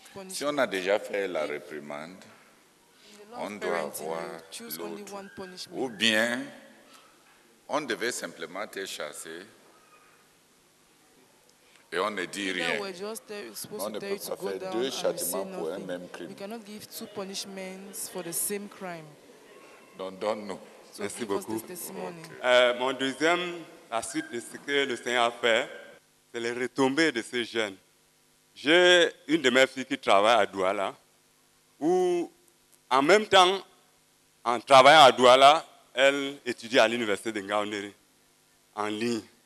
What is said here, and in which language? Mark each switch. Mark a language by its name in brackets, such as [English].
[French] Si on a déjà fait la réprimande, on doit avoir l'autre. Ou bien, on devait simplement te chasser et on ne dit rien. On ne peut pas faire deux châtiments pour un même crime. [English] We cannot give two punishments for the same crime. [French] Donne-nous. So merci beaucoup. Okay. Mon deuxième, la suite de ce que le Seigneur a fait, c'est les retombées de ces jeunes. J'ai une de mes filles qui travaille à Douala, où en même temps, en travaillant à Douala, elle étudie à l'université de Ngaoundéré, en ligne.